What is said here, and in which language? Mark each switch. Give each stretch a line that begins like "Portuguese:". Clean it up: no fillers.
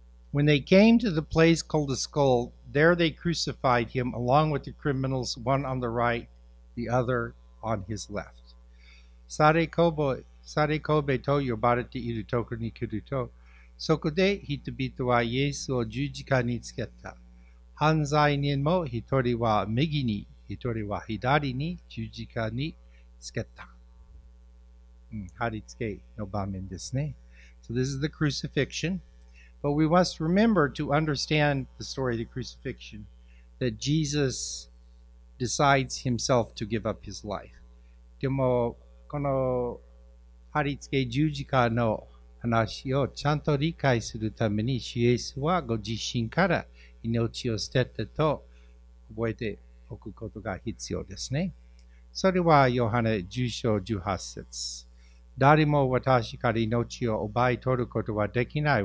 English: When they came to the place called the Skull, there they crucified him along with the criminals, one on the right, the other on his left.
Japanese: サレコベと呼ばれているところに来ると、そこで人々はイエスを十字架につけた。犯罪人も一人は右に、一人は左に十字架につけた。貼り付けの場面ですね。
English: So this is the crucifixion. But we must remember to understand the story of the crucifixion that Jesus decides himself to give up his life.
Japanese: でもこの貼り付け十字架の話をちゃんと理解するためにイエスはご自身から命を捨てたと覚えておくことが必要ですね。それはヨハネ10章18節。誰も私から命を奪い取ることはできない。